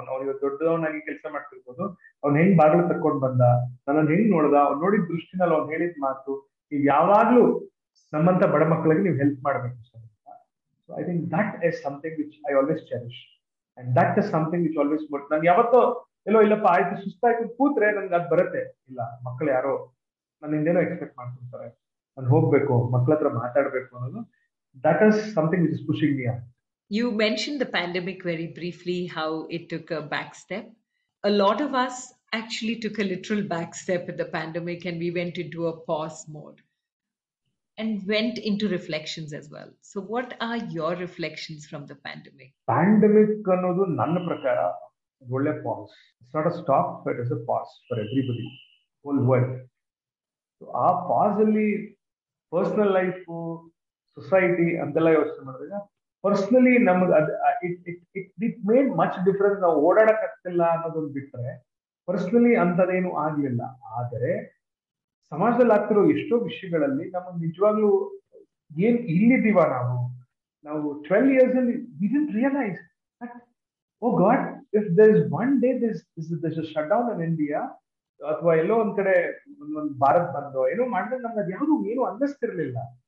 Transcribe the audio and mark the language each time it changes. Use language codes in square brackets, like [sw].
[kn] ಅವನು ಇವತ್ತು ದೊಡ್ಡದವನಾಗಿ ಕೆಲಸ ಮಾಡ್ತಿರ್ಬೋದು, ಅವ್ನು ಹೆಂಗ್ ಬಾಗಿಲು ತಕೊಂಡ್ ಬಂದ, ನನ್ನ ಹೆಂಗ್ ನೋಡ್ದ, ಅವ್ನು ನೋಡಿದ ದೃಷ್ಟಿನಲ್ಲಿ ಅವ್ನು ಹೇಳಿದ ಮಾತು, ನೀವು ಯಾವಾಗ್ಲೂ ನಮ್ಮಂತ ಬಡ ಮಕ್ಕಳಿಗೆ ನೀವು ಹೆಲ್ಪ್ ಮಾಡ್ಬೇಕು sir. [en] So I think that is something which I always cherish and that is something which always mote. [kn] ನನ್ಗೆ ಯಾವತ್ತೋ ಎಲ್ಲೋ ಇಲ್ಲಪ್ಪ ಆಯ್ತು ಸುಸ್ತಾಯ್ತು ಕೂತ್ರೆ ನನ್ಗೆ ಅದು ಬರುತ್ತೆ, ಇಲ್ಲ ಮಕ್ಕಳು ಯಾರೋ ನನ್ನ ಹಿಂದೇನೋ ಎಕ್ಸ್ಪೆಕ್ಟ್ ಮಾಡ್ಕೊಂತಾರೆ, ನಾನು ಹೋಗ್ಬೇಕು ಮಕ್ಕಳ ಹತ್ರ ಮಾತಾಡ್ಬೇಕು ಅನ್ನೋದು. [en] That is something which is pushing me out. You mentioned the pandemic very briefly, how it took a back step. A lot of us actually took a literal back step in the pandemic and we went into a pause mode and went into reflections as well. So what are your reflections from the pandemic? [kn] Pandemic annodu nanna prakara olle pause. [en] It's not a stop, but it's a pause for everybody, whole world. [kn] So aa pause alli personal life, society ಅಂತೆಲ್ಲ ಯೋಚನೆ ಮಾಡಿದಾಗ personally ನಮ್ಗೆ ಅದು [en] It made much difference. [kn] ನಾವು ಓಡಾಡಕ್ಕಾಗ್ತಿಲ್ಲ ಅನ್ನೋದನ್ನು ಬಿಟ್ಟರೆ personally ಅಂಥದ್ದೇನು ಆಗಲಿಲ್ಲ. ಆದರೆ ಸಮಾಜದಲ್ಲಿ ಆಗ್ತಿರೋ ಎಷ್ಟೋ ವಿಷಯಗಳಲ್ಲಿ ನಮಗೆ ನಿಜವಾಗ್ಲೂ ಏನು ಇಲ್ಲಿದ್ದೀವ ನಾವು, ನಾವು 12 years [en] we didn't realise that oh God if there is one day this shut down in India [kn] ಅಥವಾ ಎಲ್ಲೋ ಒಂದು ಕಡೆ ಒಂದೊಂದು ಭಾರತ್ ಬಂದೋ ಏನೋ ಮಾಡಿದ್ರೆ ನಮ್ಗೆ ಅದು ಯಾವುದು ಏನು ಅನ್ನಿಸ್ತಿರ್ಲಿಲ್ಲ.